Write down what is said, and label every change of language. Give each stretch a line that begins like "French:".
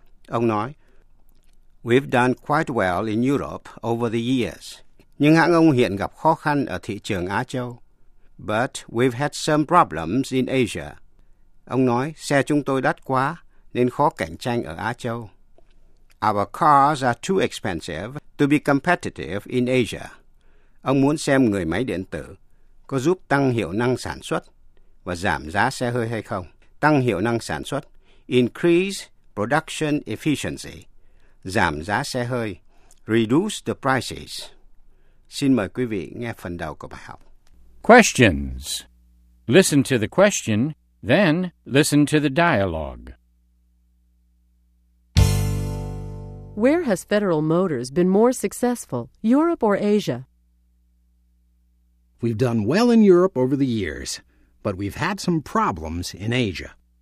Vietnamese: Ông nói,
English: "We've done quite well in Europe over the years."
Vietnamese: Nhưng hãng ông hiện gặp khó khăn ở thị trường Á Châu.
English: "But we've had some problems in Asia."
Vietnamese: Ông nói, "Xe chúng tôi đắt quá nên khó cạnh tranh ở Á Châu."
English: "Our cars are too expensive to be competitive in Asia."
Vietnamese: Ông muốn xem người máy điện tử có giúp tăng hiệu năng sản xuất và giảm giá xe hơi hay không. Tăng hiệu năng sản xuất,
English: increase production efficiency,
Vietnamese: giảm giá xe hơi,
English: reduce the prices.
Vietnamese: Xin mời quý vị nghe phần đầu của bài học.
English: Questions. Listen to the question, then listen to the dialogue. Where has Federal Motors been more successful, Europe or Asia? We've done well in Europe over the years, but we've had some problems in Asia.